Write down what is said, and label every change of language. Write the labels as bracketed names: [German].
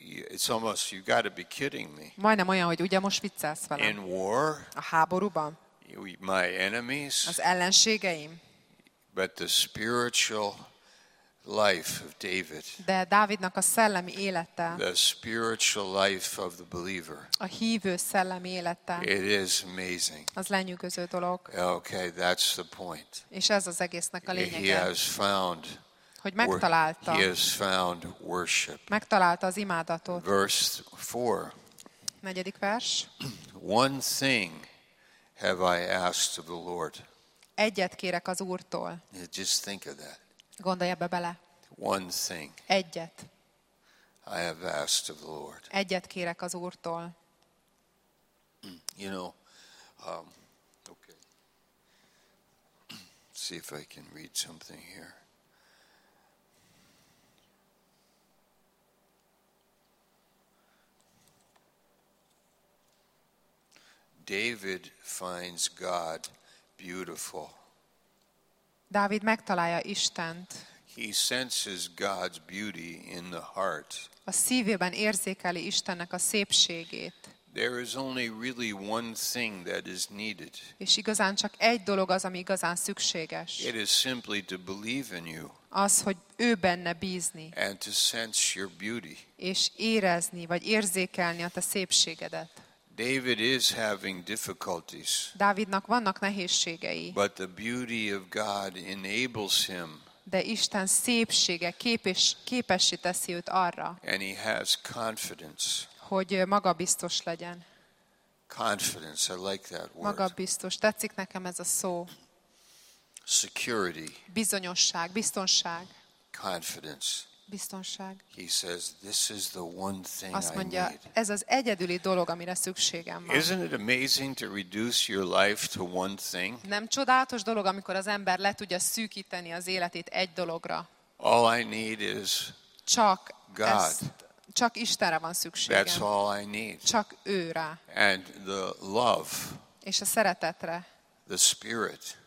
[English] It's almost, you got to be kidding me. [Hungarian] Majdnem olyan, hogy ugye most viccelsz velem. [English] In war. [Hungarian] A háborúban. [English] My enemies. [Hungarian] Az ellenségeim. [English] But the spiritual life of David. [Hungarian] De Dávidnak a szellemi élete. [English] The spiritual life of the believer. [Hungarian] A hívő szellemi élete. [English] It is amazing. [Hungarian] Az lenyűgöző dolog. [English] Okay, that's the point. [Hungarian] És ez az egésznek a lényege. [English] He has found. [Hungarian] Hogy megtalálta. [English] He has found worship. [Hungarian] Megtalálta az imádatot. [English] Verse 4. [Hungarian] Negyedik vers. [English] One thing have I asked of the Lord. [Hungarian] Egyet kérek az Úrtól. [English] Just think of that. [Hungarian] Gondolj ebbe bele. [English] One thing. [Hungarian] Egyet. [English] I have asked of the Lord. [Hungarian] Egyet kérek az Úrtól. [English] You know, okay. See if I can read something here. David finds God beautiful. [Hungarian] Dávid megtalálja Istent. [English] He senses God's beauty in the heart. [Hungarian] A szívében érzékeli Istennek a szépségét. [English] There is only really one thing that is needed. [Hungarian] És igazán csak egy dolog az, ami igazán szükséges. [English] It is simply to believe in you. [Hungarian] Az, hogy ő benne bízni. [English] And to sense your beauty. [Hungarian] És érezni vagy érzékelni a te szépségedet. [English] David is having difficulties. [Hungarian] Dávidnak vannak nehézségei. [English] But the beauty of God enables him. [Hungarian] De Isten szépsége képessé teszi őt arra. [English] And he has confidence. [Hungarian] Hogy magabiztos legyen. [English] Confidence, I like that word. [Hungarian] Magabiztos, tetszik nekem ez a szó. [English] Security. [Hungarian] Bizonyosság, biztonság. [English] Confidence. [Hungarian] Biztonság. [English] He says, "This is the one thing [Hungarian] azt mondja, [English] I need." [Hungarian] Ez az egyedüli dolog, amire szükségem van. [English] Isn't it amazing to reduce your life to one thing? [Hungarian] Nem csodálatos dolog, amikor az ember le tudja szűkíteni az életét egy dologra. [English] All I need is [Hungarian] csak [English] God. [Hungarian] Ezt, csak Istenre van szükségem. [English] That's all I need. [Hungarian] Csak őre. [English] And the love. [Hungarian] És a szeretetre. [English] The spirit.